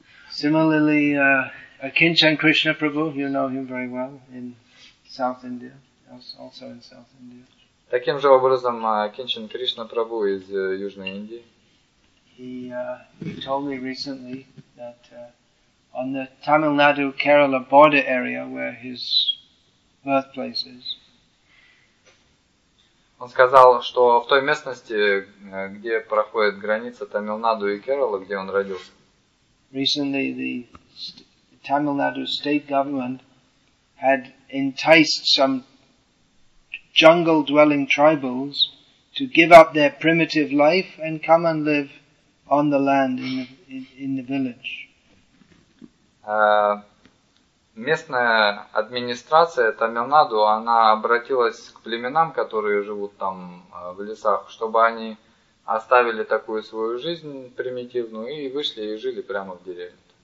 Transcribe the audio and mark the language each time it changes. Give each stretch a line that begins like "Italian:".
English: Similarly, Akinchan Krishna Prabhu, you know him very well, in South India, also in South India.
Russian: Таким же образом, Акинчан Кришна Прабху из Южной Индии.
English: He told me recently that on the Tamil Nadu Kerala border area where his birthplace is.
Russian: Он сказал, что в той местности, где проходит граница Тамилнаду и Керала, где он родился.
English: Recently, the Tamil Nadu state government had enticed some jungle-dwelling tribals to give up their primitive life and come and live on the land in the village.
Russian: Местная администрация Тамил Наду, она обратилась к племенам, которые живут там в лесах, чтобы они оставили такую свою жизнь примитивную и вышли и жили прямо в деревне.